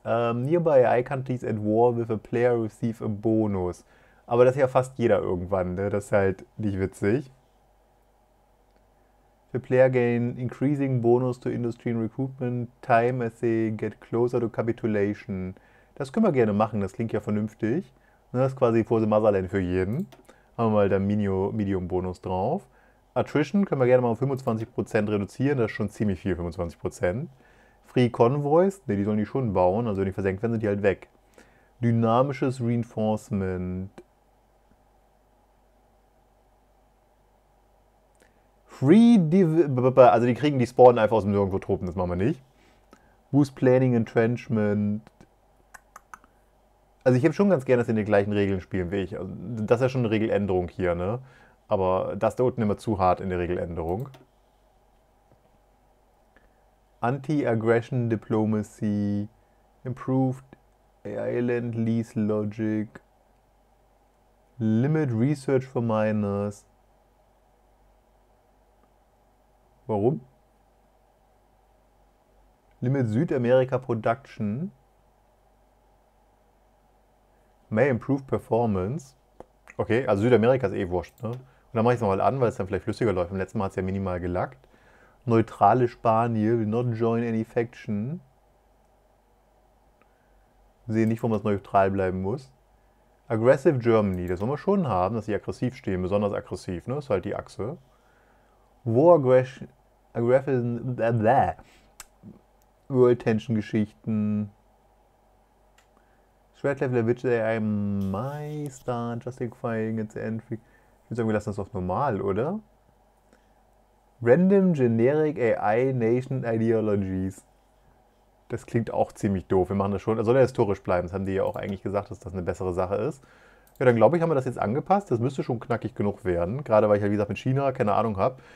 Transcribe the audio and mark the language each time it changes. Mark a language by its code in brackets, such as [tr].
[en] Nearby I countries at war with a player receive a bonus. [de] Aber das ist ja fast jeder irgendwann, ne? Das ist halt nicht witzig. [en] The player gain increasing bonus to industry and recruitment time as they get closer to capitulation. [de] Das können wir gerne machen, das klingt ja vernünftig. Das ist quasi [en] for the Motherland [de] für jeden. Haben wir mal da Medium-Bonus drauf. Attrition können wir gerne mal um 25% reduzieren, das ist schon ziemlich viel, 25%. [en] Free Convoys, [de] ne, die sollen die schon bauen, also wenn die versenkt werden, sind die halt weg. Dynamisches Reinforcement. Free, also die kriegen, die spawnen einfach aus dem Nirgendwo Truppen, das machen wir nicht. [en] Boost Planning Entrenchment. [de] Also ich hätte schon ganz gerne, dass sie in den gleichen Regeln spielen wie ich. Also das ist ja schon eine Regeländerung hier, ne? Aber das da unten immer zu hart in der Regeländerung. [en] Anti-Aggression Diplomacy. Improved Island Lease Logic. Limit Research for Miners. [de] Warum? [en] Limit Südamerika Production. May improve Performance. [de] Okay, also Südamerika ist eh wurscht, ne? Und dann mache ich es nochmal an, weil es dann vielleicht flüssiger läuft. Beim letzten Mal hat es ja minimal gelackt. Neutrale Spanier, [en] will not join any faction. [de] Sehe nicht, warum das neutral bleiben muss. [en] Aggressive Germany, [de] das wollen wir schon haben, dass sie aggressiv stehen, besonders aggressiv, ne? Das ist halt die Achse. [en] War Aggression. Aggressive. World Tension [de] Geschichten. [en] Threat Level, at which they may start justifying its entry. [de] Ich würde sagen, wir lassen das auf normal, oder? [en] Random Generic AI Nation Ideologies. [de] Das klingt auch ziemlich doof. Wir machen das schon. Das soll ja historisch bleiben. Das haben die ja auch eigentlich gesagt, dass das eine bessere Sache ist. Ja, dann glaube ich, haben wir das jetzt angepasst. Das müsste schon knackig genug werden. Gerade weil ich halt, wie gesagt, mit China keine Ahnung habe.